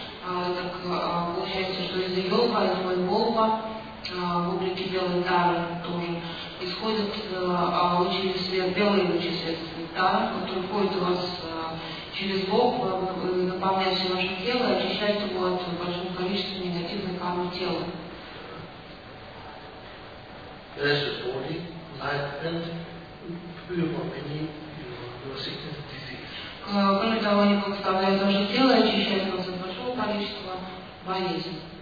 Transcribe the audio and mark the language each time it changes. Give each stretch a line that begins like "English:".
Russian: Так получается, что из йога, из моего лба, в облике белой тары тоже исходит очень свет, белый лучи света, который входит у вас через лоб, наполняет все ваше тело, очищает его от большого количества негативных карм тела.
English: Precious body, life, and free from any sickness, disease.
Russian: Кроме того, они подставляют ваше тело и очищают вас от большого количества болезней.